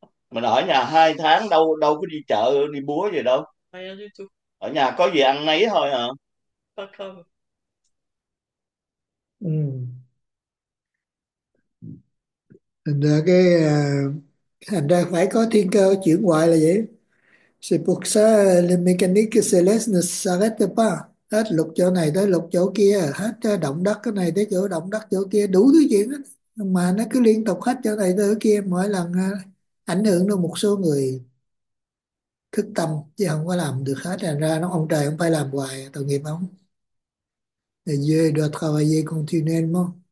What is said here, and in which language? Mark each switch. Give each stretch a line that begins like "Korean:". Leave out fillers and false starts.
Vietnamese: Mình ở nhà 2 tháng, đâu đâu có đi chợ đi búa gì đâu,
French: rien du tout.
Vietnamese: ở nhà có gì ăn nấy thôi hả.
French: Pas grave.
Vietnamese: Thành ra phải có thiên cơ chuyển hoài là vậy.
French: C'est pour ça, les mécaniques célestes ne s'arrêtent pas.
Vietnamese: Hết lục chỗ này tới lục chỗ kia, hết động đất cái này tới chỗ động đất chỗ kia, đủ thứ chuyện. Mà nó cứ liên tục hết chỗ này tới chỗ kia, mỗi lần ảnh hưởng được một số người thức tâm, chứ không có làm được hết. Thành ra nó ông trời không phải làm hoài, tội nghiệp ông.
French: Dieu doit travailler continuellement.